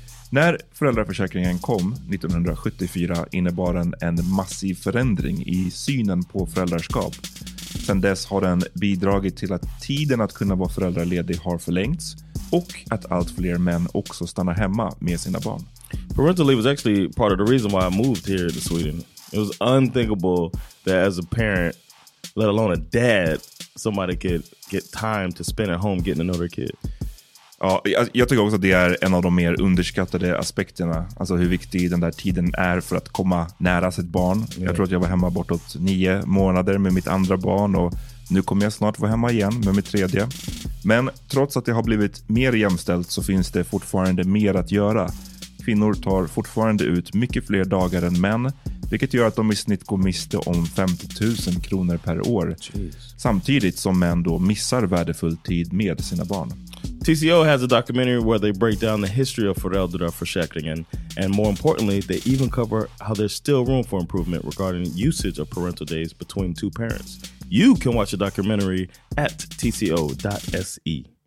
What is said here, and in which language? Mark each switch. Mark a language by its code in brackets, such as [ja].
[sv] När föräldraförsäkringen kom 1974 innebar den en massiv förändring i synen på föräldraskap. Sedan dess har den bidragit till att tiden att kunna vara föräldraledig har förlängts och att allt fler män också stannar hemma med sina barn. [en] Parental leave was actually part of the reason why I moved here to Sweden. It was unthinkable that as a parent, let alone a dad, somebody could get time to spend at home getting another kid. [sv] Ja, jag tycker också att det är en av de mer underskattade aspekterna. Alltså hur viktig den där tiden är för att komma nära sitt barn. Yeah. Jag tror att jag var hemma bortåt 9 månader med mitt andra barn och nu kommer jag snart vara hemma igen med mitt tredje. Men trots att det har blivit mer jämställt så finns det fortfarande mer att göra. Kvinnor tar fortfarande ut mycket fler dagar än män, vilket gör att de i snitt går miste om 50 000 kronor per år. Jeez. Samtidigt som män då missar värdefull tid med sina barn. [en] TCO has a documentary where they break down the history of föräldraförsäkringen, and more importantly, they even cover how there's still room for improvement regarding usage of parental days between two parents. You can watch the documentary at tco.se.